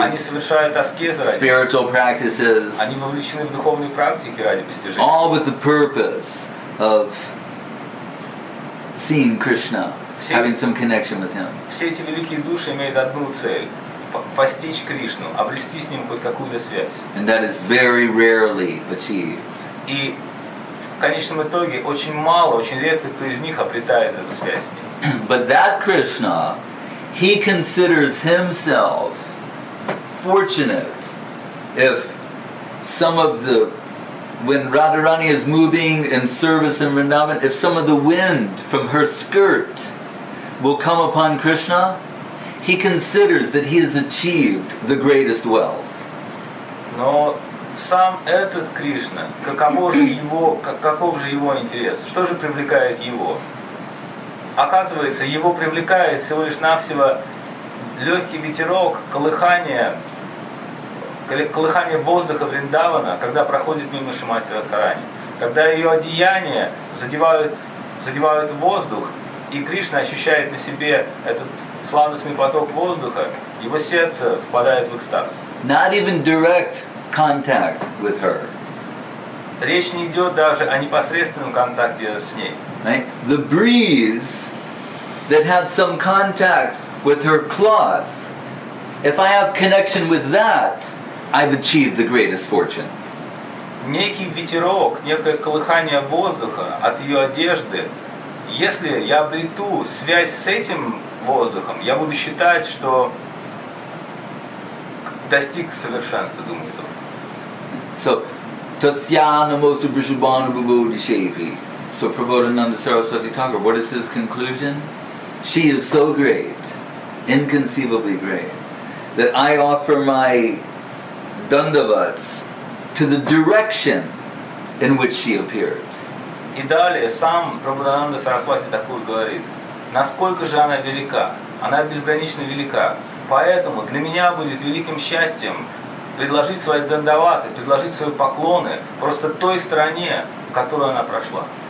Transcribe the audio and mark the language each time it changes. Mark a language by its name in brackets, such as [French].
[Russian] Они совершают аскезы ради. [English] Spiritual practices. [Russian] Они вовлечены в духовные практики ради постижения. [English] All with the purpose of seeing Krishna, having some connection with him. [Russian] Все эти великие души имеют одну цель — постичь Кришну, обрести с ним хоть какую-то связь. [English] And that is very rarely achieved. [Russian] И в конечном итоге очень мало, очень редко кто из них обретает эту связь с ним. [English] But that Krishna, he considers himself fortunate if some of the, when Radharani is moving in service in Vrindavan, if some of the wind from her skirt will come upon Krishna, he considers that he has achieved the greatest wealth. [Russian] Но сам этот Кришна, каков же его интерес? Что же привлекает его? Оказывается, его привлекает всего лишь навсего легкий ветерок, колыхание воздуха Вриндавана, когда проходит мимо Шримати Радхарани, когда ее одеяния задевают воздух, и Кришна ощущает на себе этот сладостный поток воздуха, его сердце впадает в экстаз. [English] Not even direct contact with her. [Russian] Речь не идет даже о непосредственном контакте с ней. [English] Right? The breeze that had some contact with her cloth, if I have connection with that, I've achieved the greatest fortune. [Russian] Некий ветерок, некое колыхание воздуха от ее одежды, если я обрету связь с этим воздухом, я буду считать, что достиг совершенства, думает он. [English] So, [Sanskrit] tasyana mostu prishabhanu bhuvodi shepi. [English] So, Prabodhananda Saraswati Thakur, what is his conclusion? She is so great, inconceivably great, that I offer my dandavats to the direction in which she appeared. [Russian] И далее сам Прабхудананда Сарасвати Такур говорит, насколько же она велика, она безгранично велика, поэтому для меня будет великим счастьем предложить свои дандаваты, предложить свои поклоны просто той стороне, в которую она прошла.